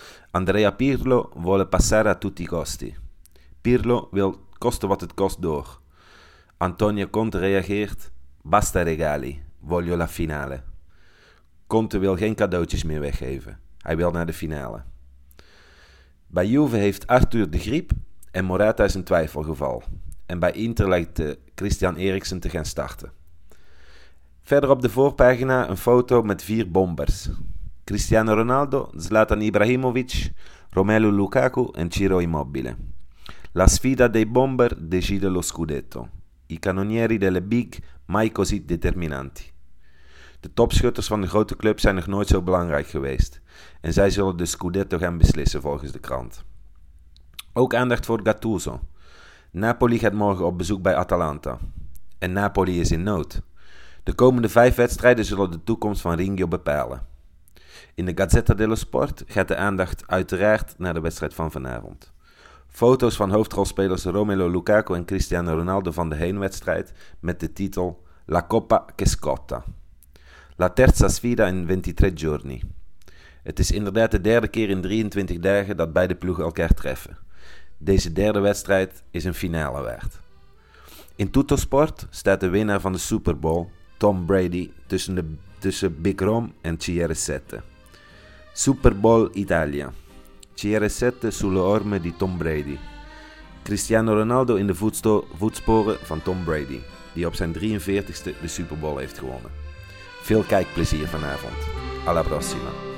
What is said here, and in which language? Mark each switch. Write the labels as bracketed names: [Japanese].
[Italian] Andrea Pirlo vuole passare a tutti i costi. [Dutch] Pirlo wil koste wat het kost door. Antonio Conte reageert [Italian] Basta regali, voglio la finale. [Dutch] Conte wil geen cadeautjes meer weggeven. Hij wil naar de finale. Bij Juve heeft Arthur de griep en Morata is een twijfelgeval. En bij Inter lijkt Christian Eriksen te gaan starten. Verder op de voorpagina een foto met vier bombers. Cristiano Ronaldo, Zlatan Ibrahimovic, Romelu Lukaku en Ciro Immobile. [Italian] La sfida dei bomber decide lo scudetto. I cannonieri delle big mai così determinanti. [Dutch] De topschutters van de grote club zijn nog nooit zo belangrijk geweest. En zij zullen de scudetto gaan beslissen volgens de krant. Ook aandacht voor Gattuso. Napoli gaat morgen op bezoek bij Atalanta. En Napoli is in nood. De komende 5 wedstrijden zullen de toekomst van Ringio bepalen. In de Gazzetta dello Sport gaat de aandacht uiteraard naar de wedstrijd van vanavond. Foto's van hoofdrolspelers Romelu Lukaku en Cristiano Ronaldo van de heenwedstrijd met de titel [Italian] La Coppa che scotta. La terza sfida in 23 giorni. [Dutch] Het is inderdaad de derde keer in 23 dagen dat beide ploegen elkaar treffen. Deze derde wedstrijd is een finale waard. In Tutto Sport staat de winnaar van de Super Bowl, Tom Brady, tussen Big Rom en CR7. [Italian] Super Bowl Italia. CR7 sulle orme di Tom Brady. [Dutch] Cristiano Ronaldo in de voetsporen van Tom Brady, die op zijn 43ste de Super Bowl heeft gewonnen. Veel kijkplezier vanavond. [Italian] Alla prossima.